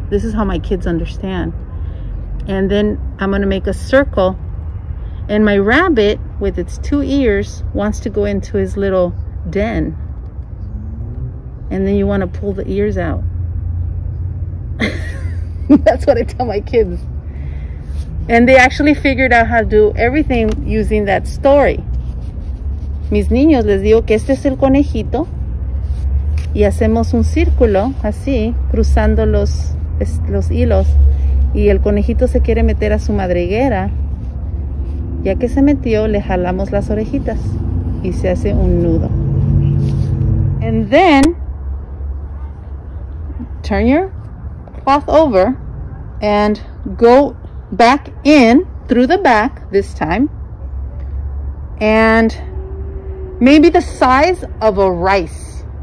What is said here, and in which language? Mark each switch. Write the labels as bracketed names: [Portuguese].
[English] This is how my kids understand. And then I'm gonna make a circle, and my rabbit with its two ears wants to go into his little den. And then you wanna pull the ears out. That's what I tell my kids. And they actually figured out how to do everything using that story. [Spanish] Mis niños, les digo que este es el conejito. Y hacemos un círculo, así, cruzando los hilos. Y el conejito se quiere meter a su madriguera. Ya que se metió, le jalamos las orejitas. Y se hace un nudo. [English] And then, turn your cloth over and go back in through the back this time. And maybe the size of a rice.